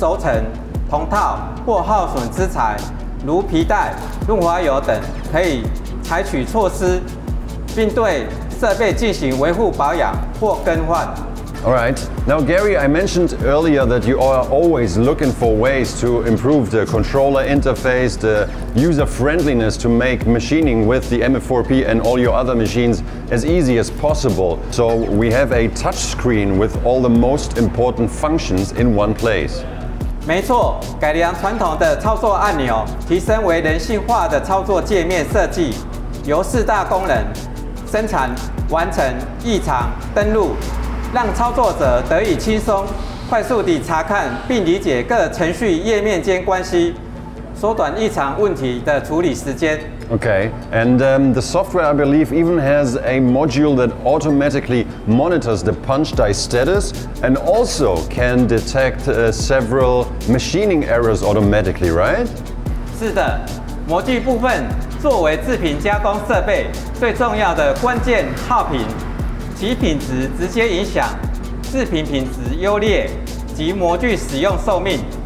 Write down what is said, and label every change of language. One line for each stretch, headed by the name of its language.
Chinese: 对，我们可以做到预测机台可能发生的潜在问题。界面可监测项目包含关键零件之轴承、铜套或耗损资材。如皮带、润滑油等，可以采取措施，并对设备进行维护保养或更换。
English: All right. Now, Gary, I mentioned earlier that you are always looking for ways to improve the controller interface, the user friendliness to make machining with the MF4P and all your other machines as easy as possible. So we have a touch screen with all the most important functions in one place.
Chinese: 没错，改良传统的操作按钮，提升为人性化的操作界面设计，由四大功能：生产、完成、异常、登录，让操作者得以轻松、快速地查看并理解各程序页面间关系。
English: Okay, and the software, I believe, even has a module that automatically monitors the punch die status and also can detect several machining errors automatically, right?
Chinese: 是的, 模具部分, 作为制品加工设备, 最重要的关键, 耗品, 其品质直接影响, 制品品质优劣, 及模具使用寿命。